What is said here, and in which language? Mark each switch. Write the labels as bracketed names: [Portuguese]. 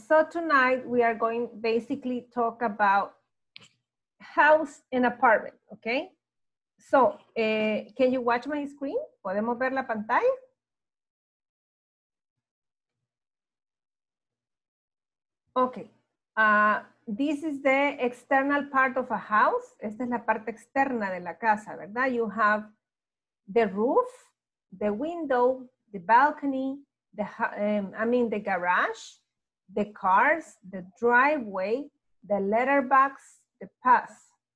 [English] So tonight we are going basically talk about house and apartment, okay? So can you watch my screen? [Spanish] ¿Podemos ver la pantalla? [English] Okay. This is the external part of a house. [Spanish] Esta es la parte externa de la casa, ¿verdad? [English] You have the roof, the window, the balcony, the garage, the cars, the driveway, the letterbox, the path.